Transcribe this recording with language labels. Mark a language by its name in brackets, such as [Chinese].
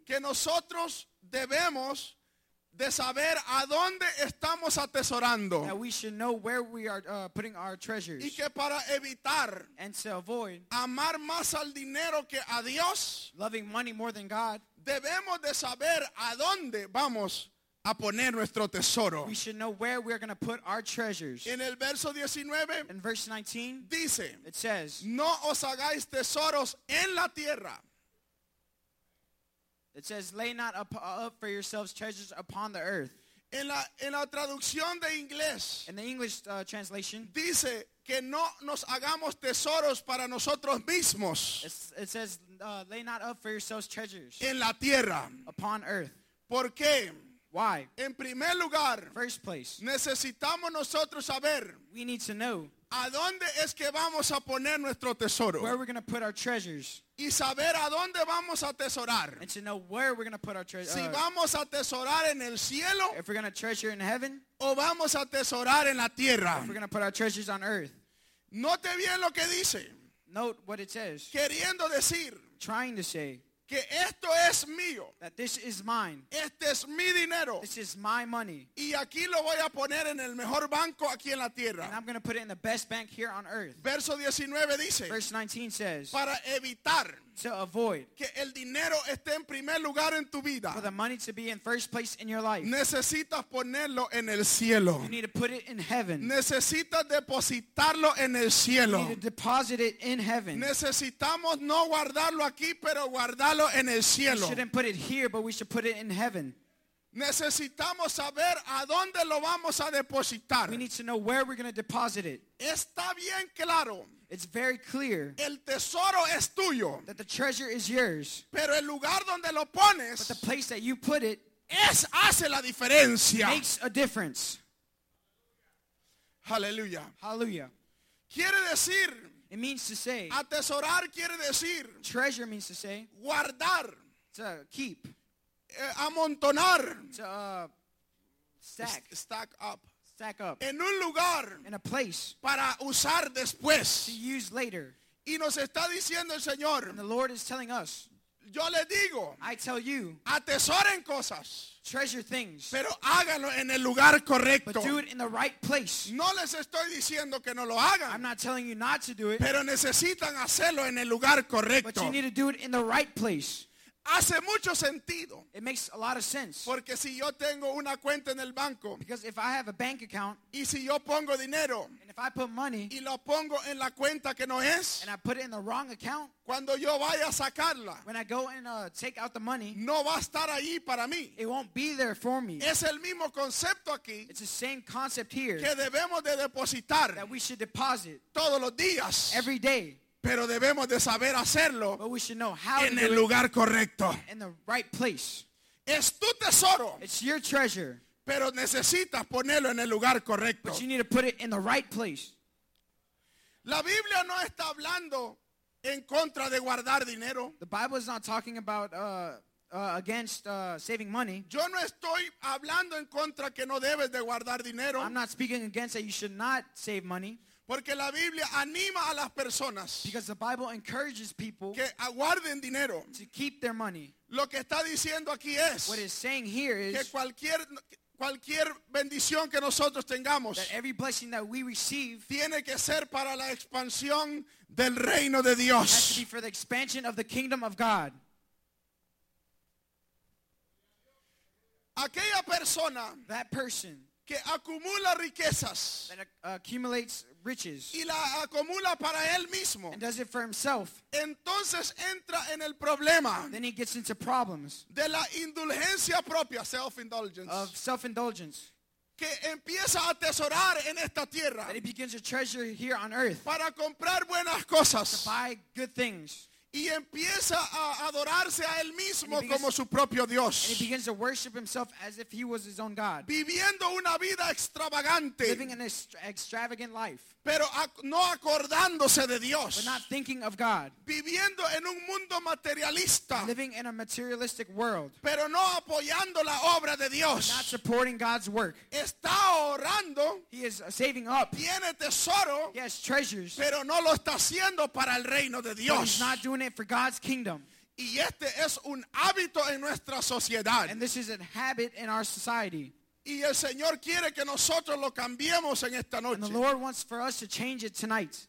[Spanish] Que nosotros debemos de saber a dónde estamos atesorando. [English] That we should know where we are putting our treasures. [Spanish] Y que para evitar. [English] And to avoid. [Spanish] Amar más al dinero que a Dios. [English] Loving money more than God. [Spanish] Debemos de saber a dónde vamos a poner nuestro tesoro. [English] We should know where we are going to put our treasures. [Spanish] En el verso 19. [English] In verse 19. [Spanish] Dice. [English] It says. [Spanish] No os hagáis tesoros en la tierra. [English] It says, lay not up for yourselves treasures upon the earth. [Spanish] En la traducción de inglés. [English] In the English translation. [Spanish] Dice que no nos hagamos tesoros para nosotros mismos. [English] It says, lay not up for yourselves treasures. [Spanish] En la tierra. [English] Upon earth. [Spanish] ¿Por qué? [English] Why? [Spanish] En primer lugar. [English] First place. [Spanish] Necesitamos nosotros saber. [English] We need to know. [Spanish] ¿A dónde es que vamos a poner nuestro tesoro? [English] Where we're going to put our treasures. [Spanish] Y saber a dónde vamos a atesorar. [English] And to know where we're going to put our treasure. [Spanish] Si vamos a atesorar en el cielo. [English] If we're going to treasure in heaven. [Spanish] O vamos a atesorar en la tierra. [English] If we're going to put our treasures on earth. [Spanish] Note bien lo que dice. [English] Note what it says. [Spanish] Queriendo decir. [English] Trying to say. [Spanish] que esto es mío. [English] That this is mine. [Spanish] Este es mi dinero. [English] This is my money. [Spanish] Y aquí lo voy a poner en el mejor banco aquí en la tierra. [English] And I'm going to put it in the best bank here on earth. [Spanish] Verso 19 dice. [English] Verse 19 says. [Spanish] Para evitar. [English] To avoid. [Spanish] Que el dinero esté en primer lugar en tu vida. [English] For the money to be in first place in your life. [Spanish] Necesitas ponerlo en el cielo. [English] You need to put it in heaven. [Spanish] Necesitas depositarlo en el cielo. [English] You need to deposit it in heaven. [Spanish] Necesitamos no guardarlo aquí, pero guardarlo en el cielo. [English] We shouldn't put it here, but we should put it in heaven. [Spanish] Necesitamos saber a dónde lo vamos a depositar. [English] We need to know where we're going to deposit it. [Spanish] Está bien claro. [English] It's very clear. [Spanish] El tesoro es tuyo. [English] That the treasure is yours. [Spanish] Pero el lugar donde lo pones. [English] But the place that you put it. [Spanish] Es hace la diferencia. [English] Makes a difference. Hallelujah. Hallelujah. [Spanish] Quiere decir. [English] It means to say. [Spanish] Atesorar quiere decir. [English] Treasure means to say. [Spanish] Guardar. [English] To keep. [Spanish] Amontonar. [English] To stack. Stack up. Stack up. [Spanish] En un lugar. [English] In a place. [Spanish] Para usar después. [English] To use later. [Spanish] Y nos está diciendo el Señor. [English] And the Lord is telling us. [Spanish] Yo le digo. [English] I tell you. [Spanish] Atesoren cosas. [English] Treasure things. [Spanish] Pero háganlo en el lugar correcto. [English] But do it in the right place. [Spanish] No les estoy diciendo que no lo hagan. [English] I'm not telling you not to do it. [Spanish] Pero necesitan hacerlo en el lugar correcto. [English] But you need to do it in the right place. [Spanish] Hace mucho sentido. [English] It makes a lot of sense. [Spanish] Porque si yo tengo una cuenta en el banco. [English] Because if I have a bank account. [Spanish] Y si yo pongo dinero. [English] And if I put money. [Spanish] Y lo pongo en la cuenta que no es. [English] And I put it in the wrong account. [Spanish] Cuando yo vaya a sacarla. [English] When I go and take out the money. [Spanish] No va a estar ahí para mí. [English] It won't be there for me. [Spanish] Es el mismo concepto aquí. [English] It's the same concept here. [Spanish] Que debemos de depositar. [English] That we should deposit. [Spanish] Todos los días. [English] Every day. [Spanish] Pero debemos de saber hacerlo en el lugar correcto. [English] In the right place. [Spanish] Es tu tesoro. [English] It's your treasure. [Spanish] Pero necesitas ponerlo en el lugar correcto. [English] But you need to put it in the right place. [Spanish] La Biblia no está hablando en contra de guardar dinero. [English] The Bible is not talking about against saving money. [Spanish] Yo no estoy hablando en contra que no debes de guardar dinero. [English] I'm not speaking against that you should not save money. [Spanish] Porque la Biblia anima a las personas. [English] Because the Bible encourages people. [Spanish] Que aguarden dinero. [English] To keep their money. [Spanish] Lo que está diciendo aquí es. [English] What it's saying here is. [Spanish] Que cualquier bendición que nosotros tengamos. [English] That every blessing that we receive. [Spanish] Tiene que ser para la expansión del reino de Dios. [English] Has to be for the expansion of the kingdom of God. [Spanish] Aquella persona. [English] That person. [Spanish] Que acumula riquezas. [English] That accumulates riches. [Spanish] Y la acumula para él mismo. [English] And does it for himself. [Spanish] Entonces entra en el problema. [English] Then he gets into problems. [Spanish] De la indulgencia propia, self-indulgence. [English] Of self-indulgence. [Spanish] Que empieza a atesorar en esta tierra. [English] That he begins to treasure here on earth. [Spanish] Para comprar buenas cosas. [English] To buy good things. [Spanish] Y empieza a adorarse a él mismo como su propio Dios. [English] And he begins to worship himself as if he was his own God. [Spanish] Viviendo una vida extravagante. [English] Living an extravagant life. [Spanish] Pero no acordándose de Dios. [English] But not thinking of God. [Spanish] Viviendo en un mundo materialista. [English] Living in a materialistic world. [Spanish] Pero no apoyando la obra de Dios. [English] Not supporting God's work. [Spanish] Está ahorrando. [English] He is saving up. [Spanish] Tiene tesoro. [English] He has treasures. [Spanish] Pero no lo está haciendo para el reino de Dios. [English] But he's not doing it for God's kingdom. [Spanish] Y este es un hábito en nuestra sociedad. [English] And this is a habit in our society. [Spanish] Y el Señor quiere que nosotros lo cambiemos en esta noche. [English] And the Lord wants for us to change it tonight.